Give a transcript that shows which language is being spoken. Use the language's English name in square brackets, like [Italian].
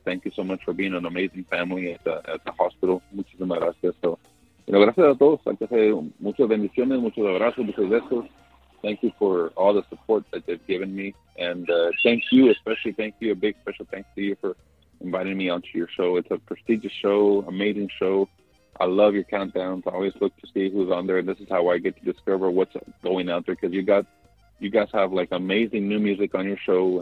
[English] Thank you so much for being an amazing family at the hospital. [Spanish] Muchísimas gracias. [English] So, you know, [Spanish] gracias a todos. Muchas bendiciones, muchos abrazos, muchos besos. [English] thank you for all the support that they've given me. And thank you, especially thank you, a big special thanks to you for inviting me onto your show. It's a prestigious show, amazing show. I love your countdowns. I always look to see who's on there. And this is how I get to discover what's going out there, because you guys have like amazing new music on your show.